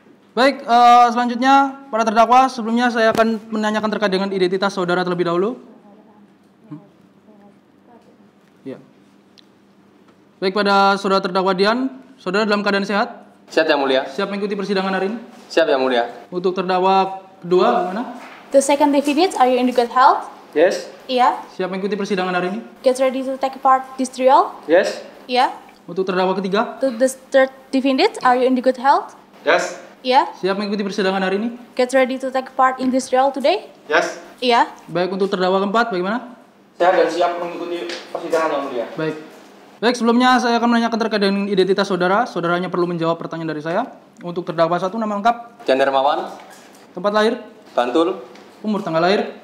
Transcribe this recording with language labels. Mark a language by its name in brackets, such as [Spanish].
[Indonesian] Baik, selanjutnya para terdakwa, sebelumnya saya akan menanyakan terkait dengan identitas saudara terlebih dahulu. Ya. Baik, pada saudara terdakwa Dian, saudara dalam keadaan sehat? Sehat, Yang Mulia. Siap mengikuti persidangan hari ini? Siap, Yang Mulia. Untuk terdakwa kedua, bagaimana? [English] The second defendant, are you in good health? Yes. Iya. Yeah. [Indonesian] Siap mengikuti persidangan hari ini? [English] Get ready to take part this trial? Yes. Iya. Yeah. [Indonesian] Untuk terdakwa ketiga? [English] The third defendant, are you in good health? Yes. Iya. Yeah. [Indonesian] Siap mengikuti persidangan hari ini? [English] Get ready to take part in this trial today? Yes. Iya. Yeah. [Indonesian] Baik, untuk terdakwa keempat, bagaimana? Sehat dan siap mengikuti persidangan, Yang Mulia. Baik. Baik, sebelumnya saya akan menanyakan terkait dengan identitas saudara. Saudaranya perlu menjawab pertanyaan dari saya. Untuk terdakwa satu, nama lengkap? Jan Hermawan. Tempat lahir? Bantul. Umur, tanggal lahir?